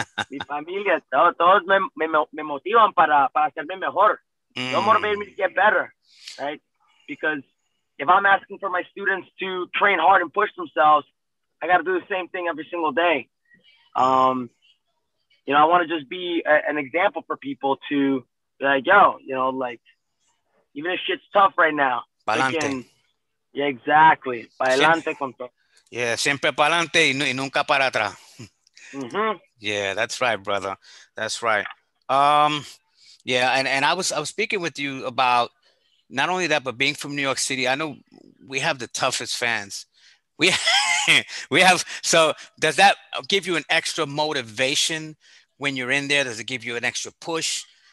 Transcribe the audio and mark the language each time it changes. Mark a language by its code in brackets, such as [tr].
[es] Mi familia, todos me motivan para hacerme mejor. [en] Mm. Don't motivate me to get better, right? Because if I'm asking for my students to train hard and push themselves, I got to do the same thing every single day. You know, I want to just be an example for people to be like, yo, you know, like, even if shit's tough right now. Balante. [es] Yeah, exactly. Pa adelante con todo. Yeah, siempre pa adelante y nunca para atrás. Mm-hmm. [en] Yeah, that's right, brother. That's right. Yeah, and I was speaking with you about not only that, but being from New York City. I know we have the toughest fans. We have. So does that give you an extra motivation when you're in there? Does it give you an extra push?